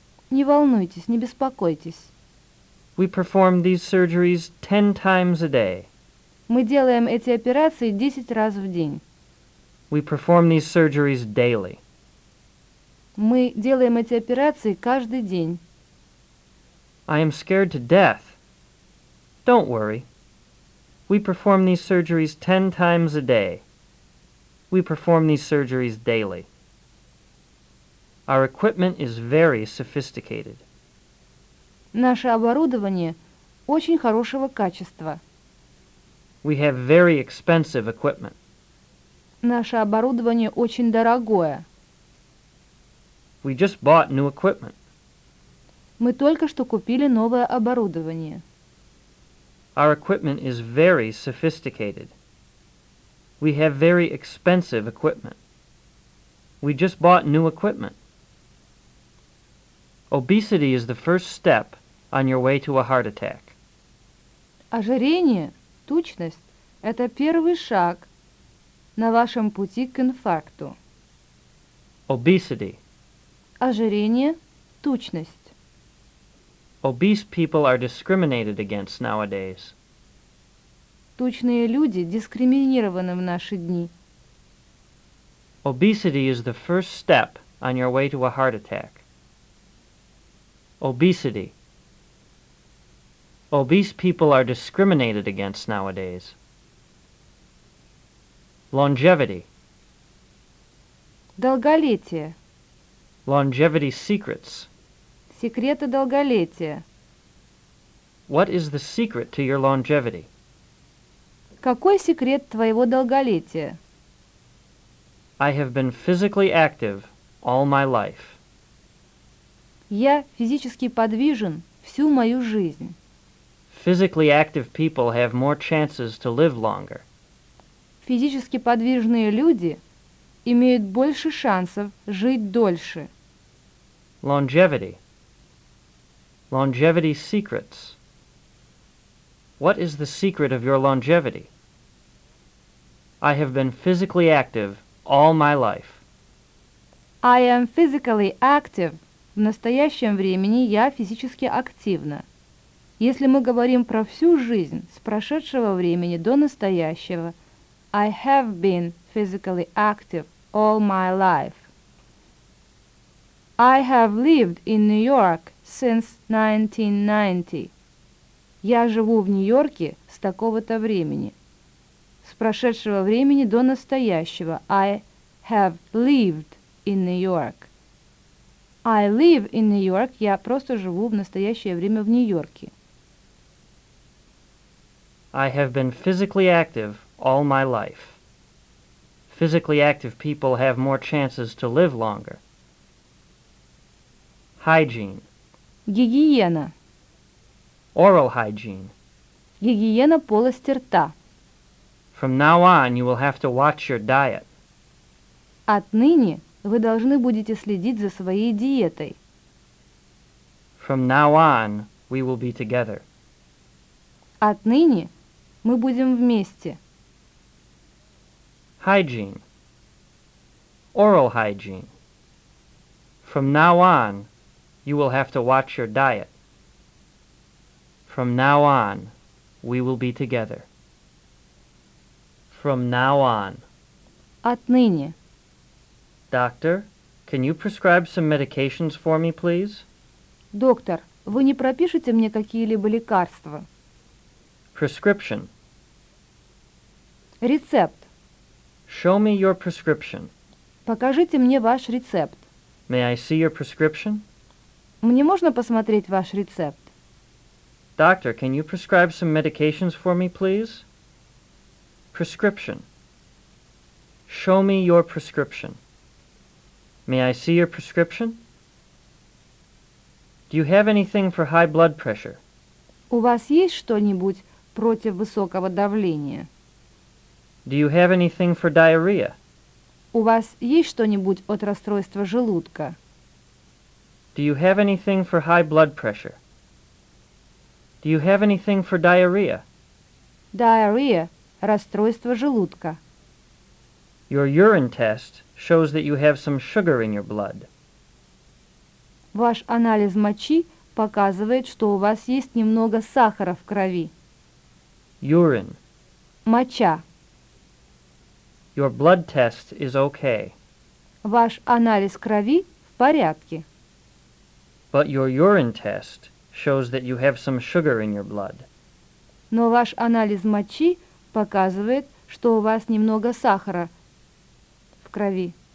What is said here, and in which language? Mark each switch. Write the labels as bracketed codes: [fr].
[ru] Не волнуйтесь, не беспокойтесь. [en] We perform these surgeries 10 times a day. [ru] Мы делаем эти операции 10 раз в день. [en] We perform these surgeries daily. [ru] Мы делаем эти операции каждый день. [en] I am scared to death. Don't worry. We perform these surgeries 10 times a day. We perform these surgeries daily. Our equipment is very sophisticated. [ru] Наше оборудование очень хорошего качества. [en] We have very expensive equipment. [ru] Наше оборудование очень дорогое. [en] We just bought new equipment. [ru] Мы только что купили новое оборудование. [en] Our equipment is very sophisticated. We have very expensive equipment. We just bought new equipment. Obesity is the first step on your way to a heart attack. [ru] Ожирение, тучность, это первый шаг на вашем пути к инфаркту. [en] Obesity. [ru] Ожирение, тучность. [en] Obese people are discriminated against nowadays. [ru] Тучные люди дискриминированы в наши дни. [en] Obesity is the first step on your way to a heart attack. Obesity. Obese people are discriminated against nowadays. Longevity. [ru] Долголетие. [en] Longevity secrets. [ru] Секреты долголетия. [en] What is the secret to your longevity? [ru] Какой секрет твоего долголетия? [en] I have been physically active all my life. [ru] Я физически подвижен всю мою жизнь. [en] Physically active people have more chances to live longer. [ru] физически подвижные люди имеют больше шансов жить дольше. [en] Longevity. Longevity secrets. What is the secret of your longevity? I have been physically active all my life. I am physically active. [ru] В настоящем времени я физически активна. Если мы говорим про всю жизнь, с прошедшего времени до настоящего, [en] I have been physically active all my life. I have lived in New York since 1990. [ru] Я живу в Нью-Йорке с такого-то времени. С прошедшего времени до настоящего. [en] I have lived in New York. I live in New York. [ru] Я просто живу в настоящее время в Нью-Йорке. [en] I have been physically active all my life. Physically active people have more chances to live longer. Hygiene. [ru] Гигиена. [en] Oral hygiene. [ru] Гигиена полости рта. [en] From now on, you will have to watch your diet. [ru] Отныне вы должны будете следить за своей диетой. [en] From now on, we will be together. [ru] Отныне мы будем вместе. [en] Hygiene. Oral hygiene. From now on, you will have to watch your diet. From now on, we will be together. From now on. [ru] Отныне. [en] Doctor, can you prescribe some medications for me, please? [ru] Доктор, вы не пропишете мне какие-либо лекарства? [en] Prescription. [ru] Рецепт. [en] Show me your prescription. [ru] Покажите мне ваш рецепт. [en] May I see your prescription? [ru] Мне можно посмотреть ваш рецепт? [en] Doctor, can you prescribe some medications for me, please? Prescription. Show me your prescription. May I see your prescription? Do you have anything for high blood pressure? [ru] У вас есть что-нибудь против высокого давления? [en] Do you have anything for diarrhea? [ru] У вас есть что-нибудь от расстройства желудка? [en] Do you have anything for high blood pressure? Do you have anything for diarrhea? Diarrhea. [ru] Расстройство желудка. [en] Your urine test shows that you have some sugar in your blood. [ru] Ваш анализ мочи показывает, что у вас есть немного сахара в крови. [en] Urine. [ru] Моча. [en] Your blood test is okay. [ru] Ваш анализ крови в порядке. [en] But your urine test shows that you have some sugar in your blood. [ru] Но ваш анализ мочи показывает, что у вас немного сахара в крови.